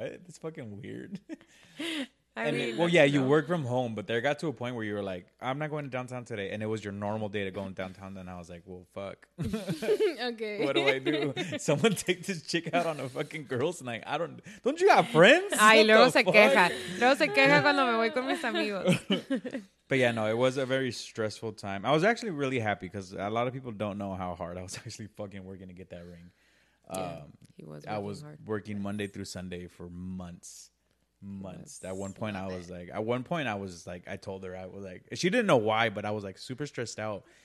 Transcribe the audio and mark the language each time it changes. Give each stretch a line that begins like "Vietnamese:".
English: It's fucking weird. You work from home, but there got to a point where you were like, I'm not going to downtown today. And it was your normal day to go in downtown. And I was like, well, fuck. Okay. What do I do? Someone take this chick out on a fucking girl's night. I don't. Don't you have friends?
Spanish: Ay, luego se queja. Luego se queja cuando me voy con mis amigos.
English: But yeah, no, it was a very stressful time. I was actually really happy because a lot of people don't know how hard I was actually fucking working to get that ring. I was working Monday through Sunday for months. Months. That's at one point I was like, I told her, I was like, she didn't know why, but I was like super stressed out.